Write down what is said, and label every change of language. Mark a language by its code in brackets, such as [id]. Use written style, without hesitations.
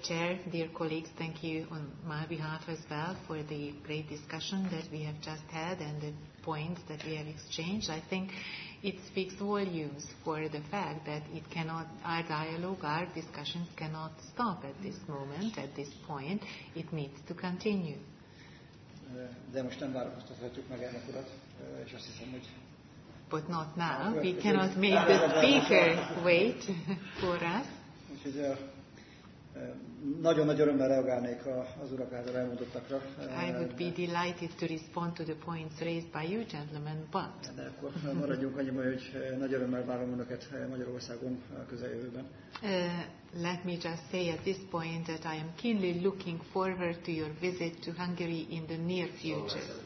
[en] Chair, dear colleagues, thank you on my behalf as well for the great discussion that we have just had and the points that we have exchanged, I think it speaks volumes for the fact that it cannot, our dialogue, our discussions cannot stop at this moment, at this point. It needs to continue. [hu] De most nem változtathatjuk meg ennek urat, és azt hiszem, hogy... [en] But not now. We cannot make the speaker wait for us. [hu] Úgyhogy nagyon-nagyon örömmel reagálnék az urak által elmondottakra. [en] I would be delighted to respond to the points raised by you, gentlemen, but... [hu] De akkor maradjunk annyiban, hogy nagy örömmel várom önöket Magyarországon közeljövőben. [en] Let me just say at this point that I am keenly looking forward to your visit to Hungary in the near future.